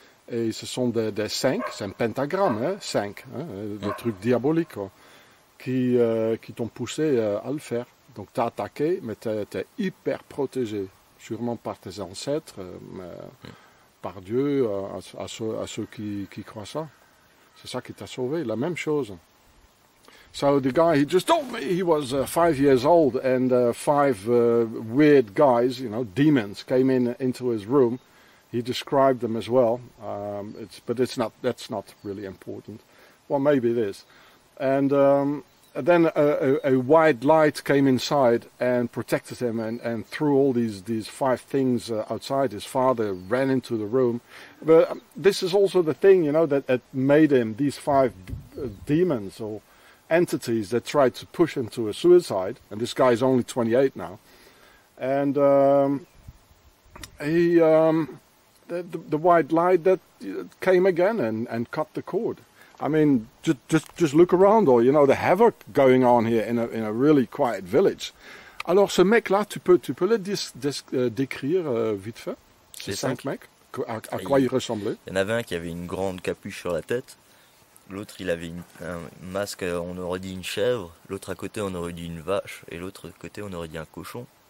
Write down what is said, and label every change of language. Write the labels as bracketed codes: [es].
[fr] Et ce sont des 5, c'est un pentagramme, hein, 5, hein, des trucs diaboliques, quoi, qui t'ont poussé à le faire. Donc t'as attaqué, mais t'es hyper protégé, sûrement par tes ancêtres, par Dieu, à ceux qui croient ça. C'est ça qui t'a sauvé, la même chose. [en] So the guy, he just told me he was 5 years old, and five weird guys, you know, demons, came into his room. He described them as well. That's not really important. Well, maybe it is. And then a white light came inside and protected him, and threw all these five things outside. His father ran into the room. But this is also the thing, you know, that made him, these five demons or entities that tried to push him to a suicide. And this guy is only 28 now. And the white light that came again and cut the cord. I mean, just look around, or, you know, the havoc going on here in a really quiet village. [fr] Alors, ce mec-là, tu peux le décrire vite fait? Ces cinq mecs, à quoi ils ressemblaient? Il y en avait un qui avait une grande capuche sur la tête. L'autre, il avait un masque, on aurait dit une chèvre. L'autre à côté, on aurait dit une vache. Et l'autre côté, on aurait dit un cochon.